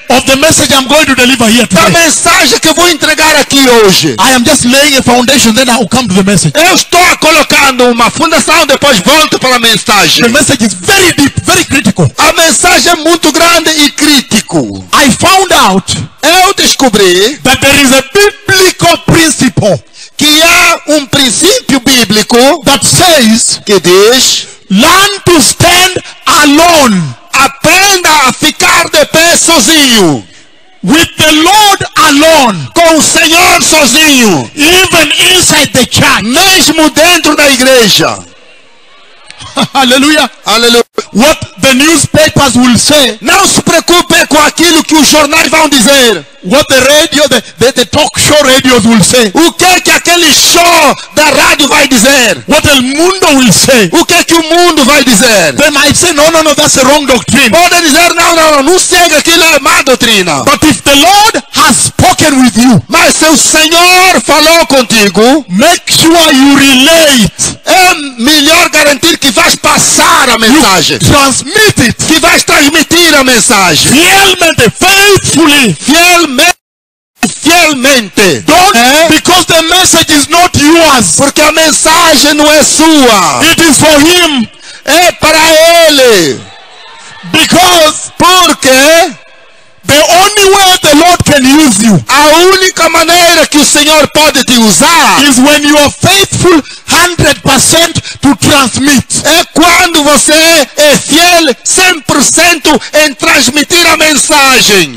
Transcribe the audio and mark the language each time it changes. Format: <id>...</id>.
<en>Of the message I'm going to deliver here today.</en> <pt>Da mensagem que vou entregar aqui hoje.</pt> <en>I am just laying a foundation, then I will come to the message.</en> <pt>Eu estou colocando uma fundação, depois volto para a mensagem.</pt> <en>The message is very deep, very critical.</en> <pt>A mensagem é muito grande e crítico.</pt> <en>I found out.</en> <pt>Eu descobri</pt> <en>that there is a biblical principle.</en> <pt>Que há princípio bíblico</pt> <en>that says.</en> <pt>Que diz.</pt> <en>Learn to stand alone.</en> <pt>Aprenda a ficar de pé sozinho.</pt> <en>With the Lord alone.</en> <pt>Com o Senhor sozinho.</pt> <en>Even inside the church.</en> <pt>Mesmo dentro da igreja. Aleluia. Aleluia.</pt> <en>What the newspapers will say.</en> <pt>Não se preocupe com aquilo que os jornais vão dizer.</pt> <en>What the radio, the talk show radios will say.</en> <pt>O que aquele show da rádio vai dizer?</pt> <en>What</en> <es>el mundo</es> <en>will say.</en> <pt>O que o mundo vai dizer?</pt> <en>They might say, no, that's a wrong doctrine.</en> <pt>Pode dizer, não segue aquilo, é má doutrina.</pt> <en>But if the Lord has spoken with you.</en> <pt>Mas se o Senhor falou contigo.</pt> <en>Make sure you relate.</en> <pt>É melhor garantir que vais passar a mensagem.</pt> <en>You transmit it.</en> <pt>Que vais transmitir a mensagem. Fielmente,</pt> <en>faithfully.</en> <pt>Fielmente.</pt> <en>Don't, because the message is not yours.</en> <pt>Porque a mensagem não é sua.</pt> <en>It is for him.</en> <pt>É para ele.</pt> <en>Because,</en> <pt>porque</pt> <en>the only way the Lord can use you.</en> <pt>A única maneira que o Senhor pode te usar</pt> <en>is when you are faithful 100% to transmit.</en> <pt>É quando você é fiel 100% em transmitir a mensagem.</pt>